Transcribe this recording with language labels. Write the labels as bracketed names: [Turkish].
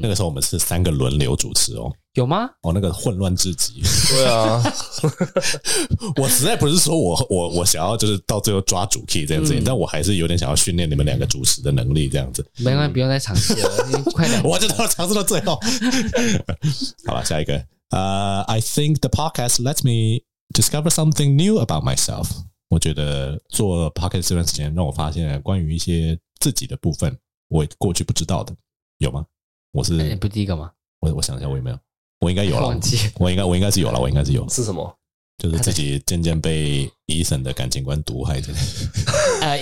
[Chinese] 那个时候我们是三个轮流主持哦，有吗？哦，那个混乱至极。对啊，我实在不是说我想要就是到最后抓主 key 这样子、嗯，但我还是有点想要训练你们两个主持的能力这样子。没关系，不用再尝试了，快点，我就到尝试到最后。好了，下一个。 [English] I think the podcast lets me discover something new about myself。 [Chinese] 我觉得做 podcast 这段时间，让我发现关于一些自己的部分，我过去不知道的，有吗？我是、欸、不第一个吗？我想一下，我有没有？我应该有了，我应该是有了，我应该是有。是什么？就是自己渐渐被 Ethan 的感情观毒害的。